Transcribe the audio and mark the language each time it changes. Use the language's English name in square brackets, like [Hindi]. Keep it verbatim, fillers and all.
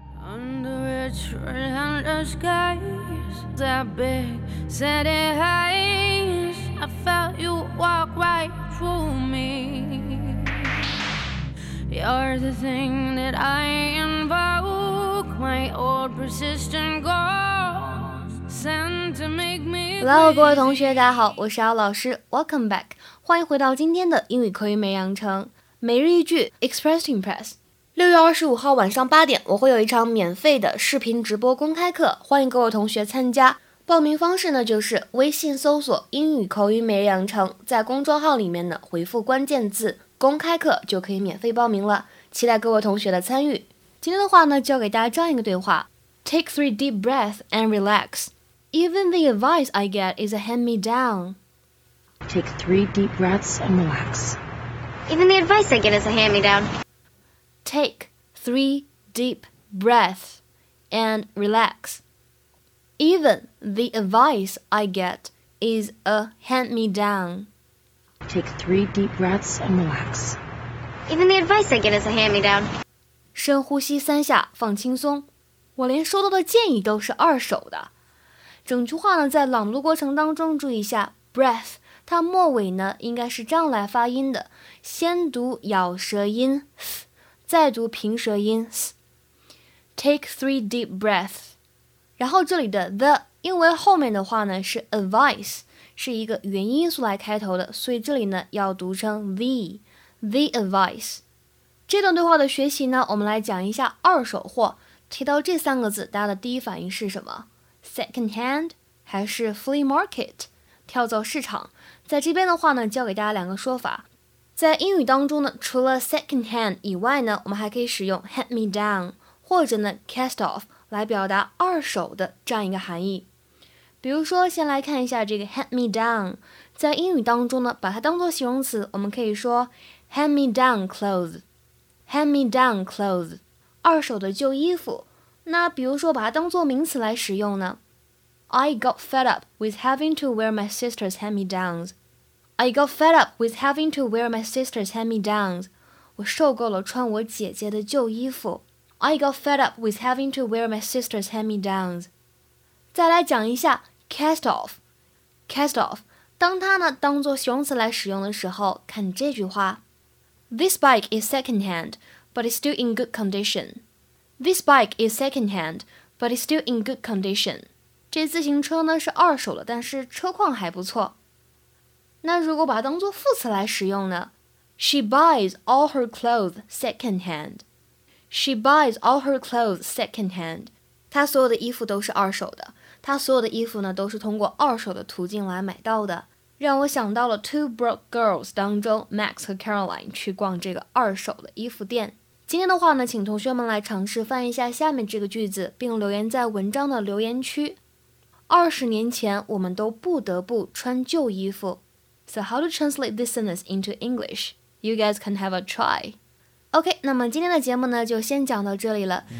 [English] under skies, that big city highs. I felt you walk right through me. You're the thing that I invoke, my old persistent ghost sent to make me. [Chinese] Hello， 各位同学，大家好，我是姚老师 ， [English] Welcome back， [Chinese] 欢迎回到今天的英语口语美养成每日一句 Express to Impress。六月二十五号晚上八点，我会有一场免费的视频直播公开课，欢迎各位同学参加。报名方式呢，就是微信搜索“英语口语每日养成”，在公众号里面呢回复关键字“公开课”就可以免费报名了。期待各位同学的参与。今天的话呢，就要给大家这样一个对话 ： [English] Take three deep breaths and relax. Even the advice I get is a hand-me-down. Take three deep breaths and relax. Even the advice I get is a hand-me-down. Take three deep breaths and relax. Even the advice I get is a hand-me-down. Take three deep breaths and relax. Even the advice I get is a hand-me-down. [Chinese] 深呼吸三下，放轻松。我连收到的建议都是二手的。整句话呢，在朗读过程当中注意一下 breath， 它末尾呢应该是这样来发音的，先读咬舌音。再读平舌音 [English] Take three deep breaths. [Chinese] 然后这里的 the 因为后面的话呢是 advice 是一个元音素来开头的，所以这里呢要读成 the the advice。这段对话的学习呢，我们来讲一下二手货。提到这三个字，大家的第一反应是什么？ [English] second hand [Chinese] 还是 [English] flea market [Chinese] 跳蚤市场？在这边的话呢，教给大家两个说法。在英语当中呢，除了 second hand 以外呢，我们还可以使用 hand me down 或者呢 cast off 来表达二手的这样一个含义。比如说，先来看一下这个 hand me down， 在英语当中呢，把它当作形容词，我们可以说 hand me down clothes， hand me down clothes， 二手的旧衣服。那比如说，把它当作名词来使用呢 [English] ，I got fed up with having to wear my sister's hand me downs。 I got fed up with having to wear my sister's hand-me-downs. [Chinese] 我受够了穿我姐姐的旧衣服。 [English] I got fed up with having to wear my sister's hand-me-downs. [Chinese] 再来讲一下 cast off. [English] Cast off. [Chinese] 当它呢当作形容词来使用的时候，看这句话。 [English] This bike is second-hand, but it's still in good condition. This bike is second-hand, but it's still in good condition. [Chinese] 这自行车呢是二手的，但是车况还不错。那如果把它当作副词来使用呢 ？ [English] She buys all her clothes second hand. She buys all her clothes second hand. [Chinese] 她所有的衣服都是二手的。她所有的衣服呢都是通过二手的途径来买到的。让我想到了《Two Broke Girls》当中 ，Max 和 Caroline 去逛这个二手的衣服店。今天的话呢，请同学们来尝试翻译一下下面这个句子，并留言在文章的留言区。二十年前，我们都不得不穿旧衣服。 [English] So how to translate this sentence into English? You guys can have a try. [Chinese] OK, 那么今天的节目呢就先讲到这里了。